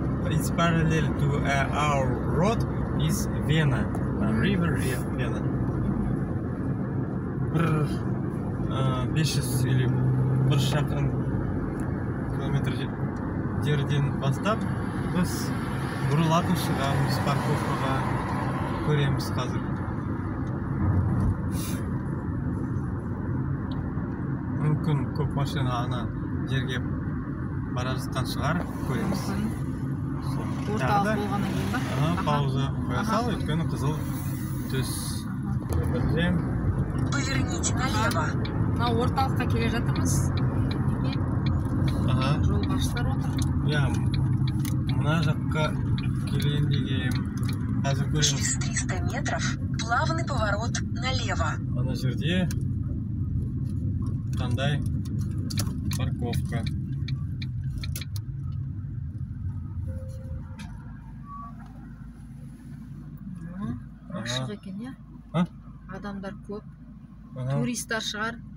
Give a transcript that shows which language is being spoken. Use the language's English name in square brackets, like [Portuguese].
[English] It's parallel to our road is Vienna. River Vienna. [Kazakh] 500 или 1 шақырым километр жерден бастап, біз бұрылатын шығамыз парковкаға, көреміз қазір. Мүмкін көп машина ана жерге бара жатқан шығар, көреміз. Орталық болғаны келді? Пауза қоя сал, өйткені қызыл түс. Бірден. [Russian] Поверните налево. [Kazakh] На орталыққа келе жатырмыз. Жол башылар отыр. Я мына жаққа келейін деген. Қазір көреміз. [Russian] 300 метров, плавный поворот налево. [Kazakh] Ана жерде қандай парковка. Ашық екен, я? Адамдар көп. Туристтар шығар.